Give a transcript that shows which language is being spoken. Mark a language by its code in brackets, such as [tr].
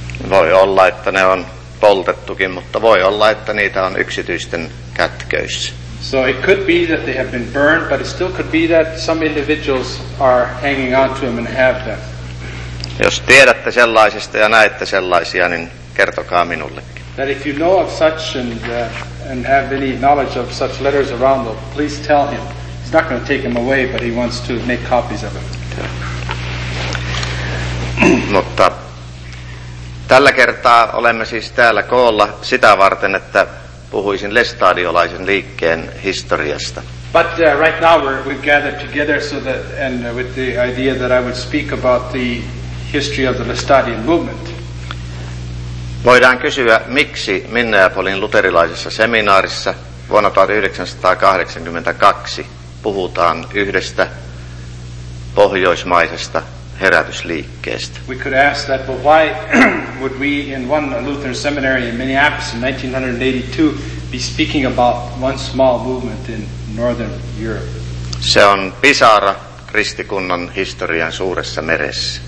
[fi] Voi olla, että ne on poltettukin, mutta voi olla, että niitä on yksityisten kätköissä. [en] So it could be that they have been burned, but it still could be that some individuals are hanging on to them and have them. [fi] Jos tiedätte sellaisista ja näette sellaisia, niin kertokaa minullekin. [en] That if you know of such and have any knowledge of such letters around them, please tell him. He's not going to take them away, but he wants to make copies of them. [fi] Mutta tällä kertaa olemme siis täällä koolla sitä varten, että puhuisin lestadiolaisen liikkeen historiasta. [en] But right now we've gathered together so that and with the idea that I would speak about the history of the Lestadian movement. [fi] Voidaan kysyä, miksi Minneapolin luterilaisessa seminaarissa vuonna 1982 puhutaan yhdestä pohjoismaisesta herätysliikkeestä. [en] We could ask that, but why would we in one Lutheran seminary in Minneapolis in 1982 be speaking about one small movement in northern Europe? [fi] Se on pisara kristikunnan historian suuressa meressä.